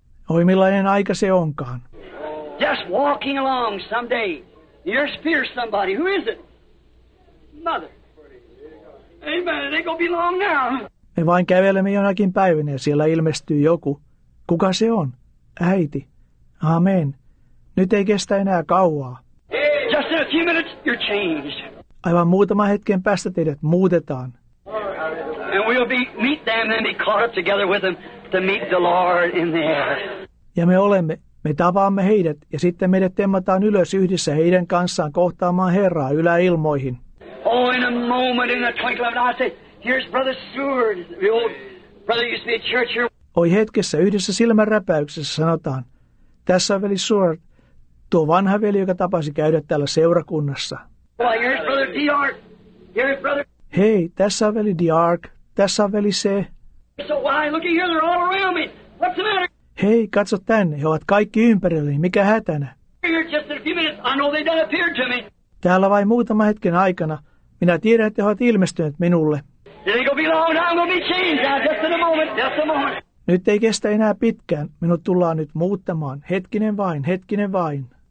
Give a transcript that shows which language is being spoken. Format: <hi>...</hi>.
<fi>Oi, millainen aika se onkaan.</fi> <en>Just walking along someday. You're spear somebody. Who is it? Mother. Amen. It ain't gonna be long now.</en> <fi>Me vain kävelemme jonakin päivänä ja siellä ilmestyy joku. Kuka se on? Äiti. Amen. Nyt ei kestä enää kauaa.</fi> <en>Just in a few minutes, you're changed.</en> <fi>Aivan muutaman hetken päästä teidät muutetaan.</fi> <en>And we'll be meet them and be caught up together with them to meet the Lord in the air.</en> <fi>Ja me tapaamme heidät ja sitten meidät temmataan ylös yhdessä heidän kanssaan kohtaamaan Herraa yläilmoihin.</fi> <en>Oh, in a moment, in a twinkling of an eye. Here's Brother Seward, the old brother used to be at church here.</en> <fi>Oi hetkessä yhdessä silmänräpäyksessä sanotaan, tässä on veli Seward, tuo vanha veli, joka tapasi käydä täällä seurakunnassa.</fi> <en>Well, here's Brother D'Arc, here's Brother...</en> <fi>Hei, tässä on veli D'Arc, tässä on veli C.</fi> <en>So why, look here, they're all around me, what's the matter?</en> <fi>Hei, katso tänne, he ovat kaikki ympärilleni, mikä hätänä?</fi> <en>Here just in a few minutes, I know they done appeared to me.</en> <fi>Täällä vain muutaman hetken aikana, minä tiedän, että he ovat ilmestyneet minulle.</fi> <en>It ain't gonna be long now, I'm gonna be changed now, just in a moment, just a moment.</en> <fi>Nyt ei kestä enää pitkään. Minut tullaan nyt muuttamaan. Hetkinen vain, hetkinen vain.</fi>